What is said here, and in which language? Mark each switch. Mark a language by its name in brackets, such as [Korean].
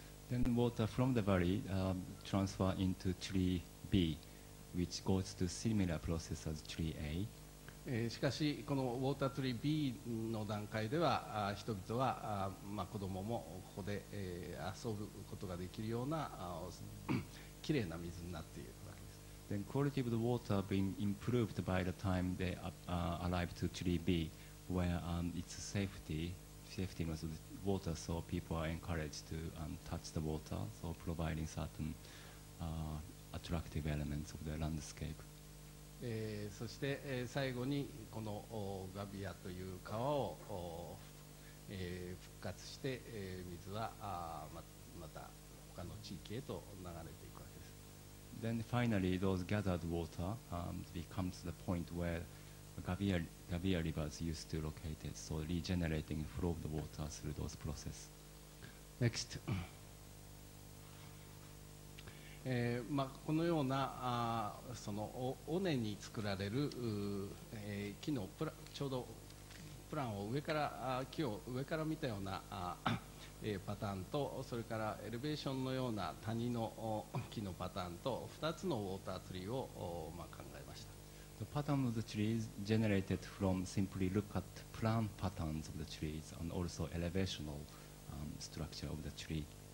[English] Then water from the valley transfer into tree B which goes to similar process as tree A、 [Japanese] しかしこのウォータートリー B の段階では人々は、まあ、子どももここで、遊ぶことができるようなきれいな水になっている。 [English] Then quality of the water being improved by the time they arrive to tree B, where it's safety of the water, so people are encouraged to touch the water, so providing certain attractive elements of the landscape. [Japanese] そして、最後にこのガビアという川を復活して、水は また他の地域へと流れていくわけです。 [English] Then finally, those gathered water becomes the point where Gavia rivers used to locate it, so regenerating flow of the water through those process. Next. [Japanese] まあ、このようなその尾根に作られる木のプラちょうどプランを上から木を上から見たようなパターンと、それからエレベーションのような谷の木のパターンと、2つのウォーターツリーをまあ考えました。 [English] The pattern of the trees generated from simply look at plant patterns of the trees and also elevational structure of the tree.